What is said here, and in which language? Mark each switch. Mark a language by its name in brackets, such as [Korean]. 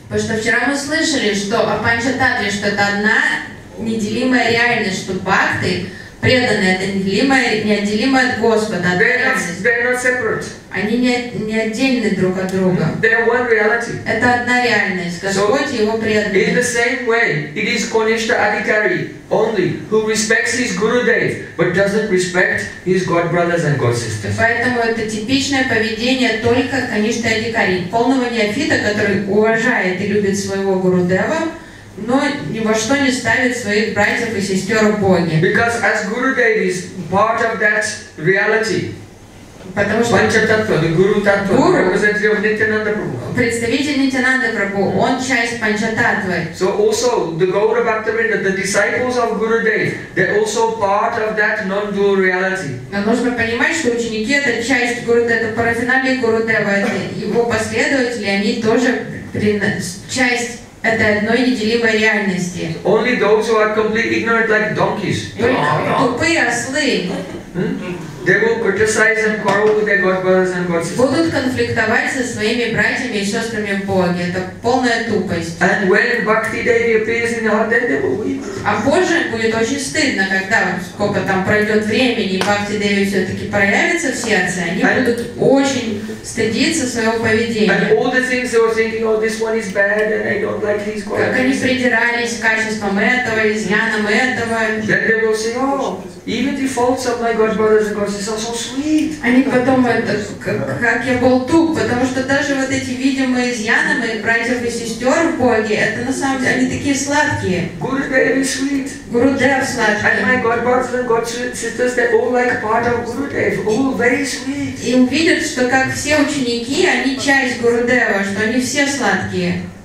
[Russian] Потому что вчера мы слышали, что о панчататве, что это одна неделимая реальность, что бхакты, преданные, это неотделимое от Господа, от реальности. Они не отдельны друг от друга. Это одна реальность, Господь и Его преданные. [English] In the same way, it is Konishta Adhikari only who respects his Gurudev, but doesn't respect his God brothers and God sisters. [Russian] Поэтому это типичное поведение только Konishta Adhikari, полного неофита, который уважает и любит своего Гурудева, но ни во что не ставит своих братьев и сестер в Боге. [English] Because as Gurudev is part of that reality. [Russian] Потому что [English] Панчататва, the Guru Tattva, Guru, representative of Nityananda Prabhu. [Russian] Представитель Нитянанды Прабху, он часть Панчататвы. [English] So also the Gaura Bhaktavinda, the disciples of Gurudev, they're also part of that non-dual reality. [Russian] Но нужно понимать, что ученики это часть Гурудева, это парафиналия Гурудева, это его последователи, они тоже часть это одной неделимой реальности. [English] Only those who are completely ignorant, like donkeys. [Russian] Тупые ослы. [English] They will criticize and quarrel with their God brothers and God sisters. [Russian] Будут конфликтовать со своими братьями и сестрами в Боге. Это полная тупость. [English] And when Bhakti Devi appears in the heart, then they will weep. [Russian] А позже будет очень стыдно, когда сколько там пройдет времени, и Бхакти Деви все-таки проявится в сердце, они [English] and [Russian] будут очень стыдиться своего поведения. [English] And all the things they were thinking, oh, this one is bad, and I don't like his quality. [Russian] Как они придирались качеством этого, изъяном этого. [English] Then they will say, oh, even the faults of my God brothers and God sisters are so sweet. [Russian] Они потом это, как я был туп, потому что даже вот эти видимые изъяны моих братьев и сестер в Боге, это на самом деле, они такие сладкие. [English] Gurudev sweet. And my God brothers and God sisters, they're all like part of Gurudev. All very sweet. [Russian] Им видят, что как все ученики, они часть Гурудева, что они все сладкие.